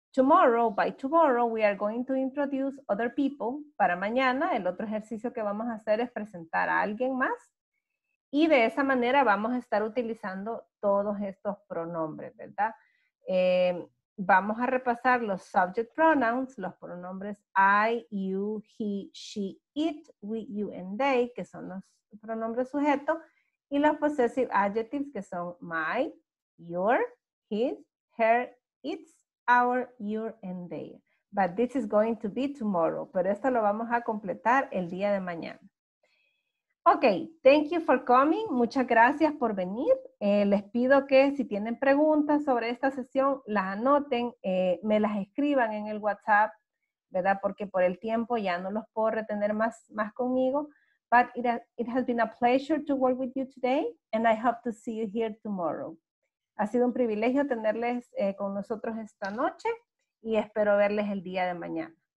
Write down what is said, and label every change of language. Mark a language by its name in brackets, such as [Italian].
[English] By tomorrow, we are going to introduce other people. [Spanish] Para mañana, el otro ejercicio que vamos a hacer es presentar a alguien más. Y de esa manera vamos a estar utilizando todos estos pronombres, ¿verdad? Vamos a repasar los subject pronouns, los pronombres I, you, he, she, it, we, you, and they, que son los pronombres sujeto, y los possessive adjectives, que son my, your, his, her, its, our, your, and they. [English] But this is going to be tomorrow. [Spanish] Pero esto lo vamos a completar el día de mañana. [English] Ok, thank you for coming. [Spanish] Muchas gracias por venir. Les pido que si tienen preguntas sobre esta sesión, las anoten, me las escriban en el WhatsApp, ¿verdad? Porque por el tiempo ya no los puedo retener más conmigo. [English] But it has been a pleasure to work with you today, and I hope to see you here tomorrow. [Spanish] Ha sido un privilegio tenerles con nosotros esta noche y espero verles el día de mañana.